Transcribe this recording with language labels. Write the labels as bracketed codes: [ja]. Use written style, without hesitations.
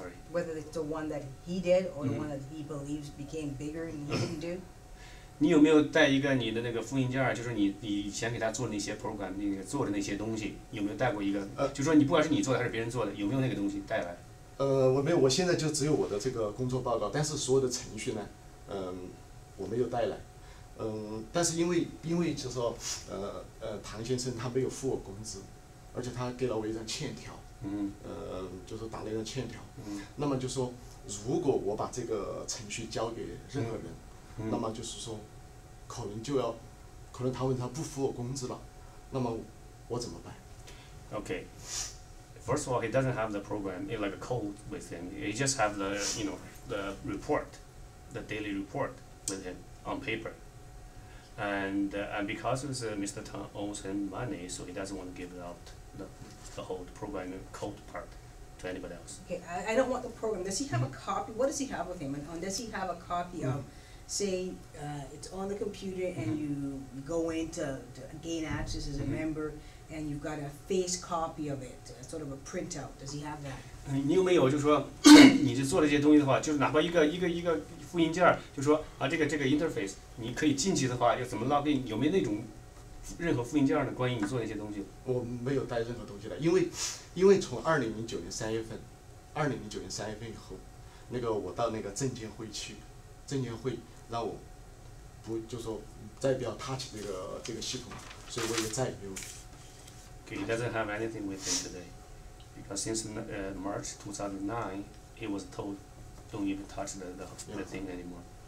[en] Whether it's the one that he did, or the one that he believes became bigger and he didn't do? [zh] 你有没有带一个你的那个复印件，就是你以前给他做的那些 program 那个做的那些东西，有没有带过一个？就说你不管是你做的还是别人做的，有没有那个东西带来？我没有，我现在就只有我的这个工作报告，但是所有的程序呢，我没有带来。但是因为就是说，唐先生他没有付我工资，而且他给了我一张欠条。就是打了一张欠条。那么就说，如果我把这个程序交给任何人。那么就是说，可能他问他不付我工资了，那么我怎么办 [en] ？Okay, first of all, he doesn't have the program like a code with him. He just have the you know the report, the daily report with him on paper. And because it's Mr. Tang owes him money, so he doesn't want to give out the whole program code part. To anybody else. Okay, I don't want the program. Does he have a copy? What does he have with him? And does he have a copy of, say, it's on the computer and you go in to gain access as a member and you've got a face copy of it, sort of a printout? Does he have that? [zh] 你有没有就是说，你是做了这些东西的话，就是哪怕一个复印件，就说啊这个 interface， 你可以进去的话，要怎么 login？有没有那种任何复印件的关于你做那些东西？我没有带任何东西的，因为从2009年3月份以后，那个我到那个证监会去，证监会让我不就说再不要 touch 这个系统，所以我也再也没有。 [en] Okay, he doesn't have anything with him today, because since March 2009, he was told don't even touch the thing anymore.